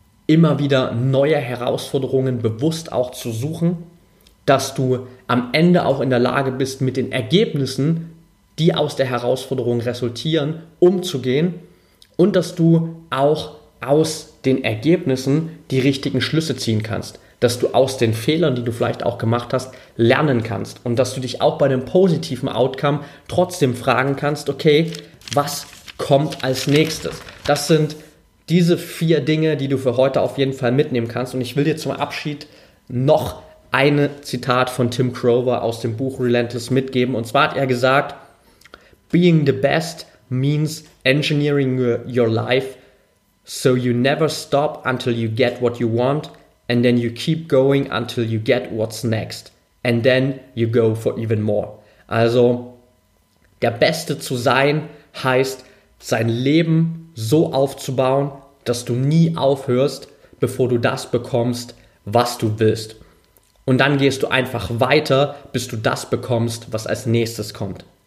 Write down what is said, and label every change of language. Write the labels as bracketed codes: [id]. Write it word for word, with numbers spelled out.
[de] immer wieder neue Herausforderungen bewusst auch zu suchen, dass du am Ende auch in der Lage bist, mit den Ergebnissen, die aus der Herausforderung resultieren, umzugehen und dass du auch aus den Ergebnissen die richtigen Schlüsse ziehen kannst, dass du aus den Fehlern, die du vielleicht auch gemacht hast, lernen kannst und dass du dich auch bei einem positiven Outcome trotzdem fragen kannst, okay, was kommt als nächstes? Das sind diese vier Dinge, die du für heute auf jeden Fall mitnehmen kannst und ich will dir zum Abschied noch ein Zitat von Tim Grover aus dem Buch Relentless mitgeben. Und zwar hat er gesagt, [en] Being the best means engineering your, your life so you never stop until you get what you want, and then you keep going until you get what's next, and then you go for even more. [de] Also, der Beste zu sein heißt, sein Leben so aufzubauen, dass du nie aufhörst, bevor du das bekommst, was du willst. Und dann gehst du einfach weiter, bis du das bekommst, was als nächstes kommt.